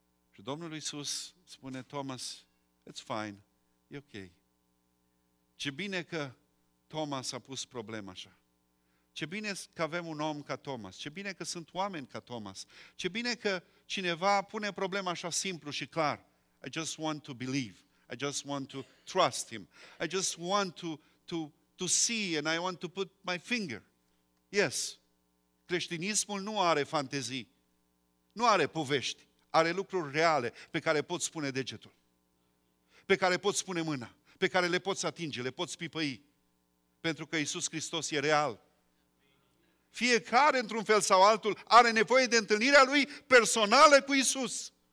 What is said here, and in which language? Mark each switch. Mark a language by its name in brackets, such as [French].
[Romanian] Și Domnul Iisus spune, Thomas, [English] it's fine, [Romanian] e ok. Ce bine că Thomas a pus problema așa. Ce bine că avem un om ca Thomas. Ce bine că sunt oameni ca Thomas. Ce bine că cineva pune problema așa simplu și clar. [English] I just want to believe. I just want to trust him. I just want to see and I want to put my finger. Yes. [Romanian] Creștinismul nu are fantezii. Nu are povești. Are lucruri reale pe care poți pune degetul. Pe care poți pune mâna. Pe care le poți atinge, le poți pipăi. Pentru că Iisus Hristos e real. Fiecare, într-un fel sau altul, are nevoie de întâlnirea lui personală cu Iisus.